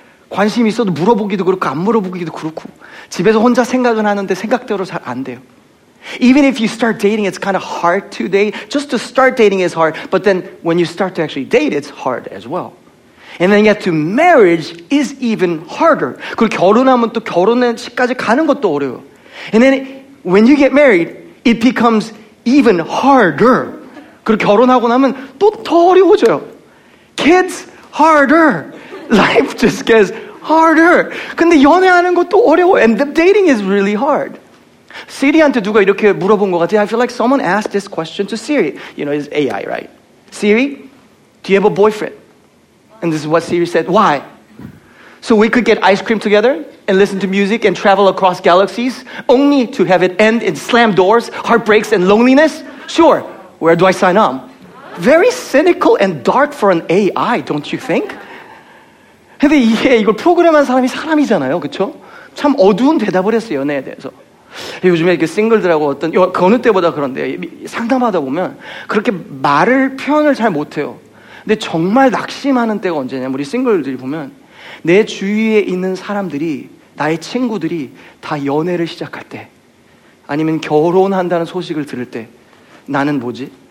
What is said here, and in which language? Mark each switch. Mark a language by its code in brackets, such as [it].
[ko] 관심 있어도 물어보기도 그렇고 안 물어보기도 그렇고 집에서 혼자 생각은 하는데 생각대로 잘 안 돼요. [en] Even if you start dating, it's kind of hard to date. Just to start dating is hard. But then when you start to actually date, it's hard as well. And then yet to marriage is even harder. [ko] 그리고 결혼하면 또 결혼식까지 가는 것도 어려워요. [en] And then when you get married, it becomes even harder. [ko] 그리고 결혼하고 나면 또 더 어려워져요. [en] Kids, harder. Life just gets harder. [ko] 근데 연애하는 것도 어려워. [en] And the dating is really hard. [ko] Siri한테 누가 이렇게 물어본 것 같아요. [en] I feel like someone asked this question to Siri. You know, it's AI, right? Siri, do you have a boyfriend? And this is what Siri said. Why? So we could get ice cream together and listen to music and travel across galaxies only to have it end in slam doors, heartbreaks, and loneliness? Sure. Where do I sign up? Very cynical and dark for an AI, don't you think? [ko] 근데 이게 이걸 프로그램한 사람이 사람이잖아요, 그쵸? 참 어두운 대답을 했어요, 연애에 대해서. 요즘에 이렇게 싱글들하고 어떤, 그 어느 때보다 그런데 상담하다 보면 그렇게 말을 표현을 잘 못해요. 근데 정말 낙심하는 때가 언제냐, 우리 싱글들이 보면 내 주위에 있는 사람들이, 나의 친구들이 다 연애를 시작할 때, 아니면 결혼한다는 소식을 들을 때, 나는 뭐지?